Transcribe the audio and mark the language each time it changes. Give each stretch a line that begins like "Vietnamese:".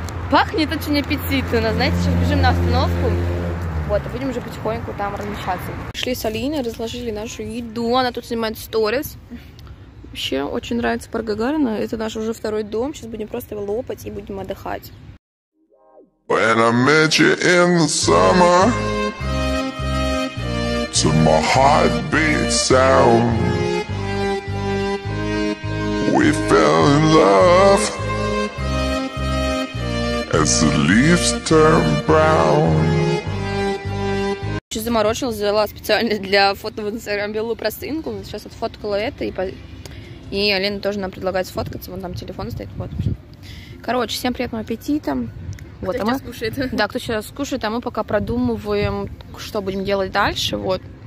Russian: Пахнет очень аппетитно. Знаете, сейчас бежим на остановку, вот, и будем уже потихоньку там размещаться. Пришли с Алиной, разложили нашу еду, она тут снимает сторис. Вообще, очень нравится парк Гагарина, это наш уже второй дом, сейчас будем просто его лопать и будем отдыхать.
English: When I met you in the summer, to my heartbeat sound. We fell in love as the leaves turn brown.
Russian: Чуть заморочилась, взяла специально для фото в Инстаграм белую простынку. Сейчас вот фоткала это и Алина тоже нам предлагает сфоткаться. Вон там телефон стоит. Вот. Короче, всем приятного аппетита. Вот, кто сейчас кушает? Да, кто сейчас кушает, а мы пока продумываем, что будем делать дальше. Вот.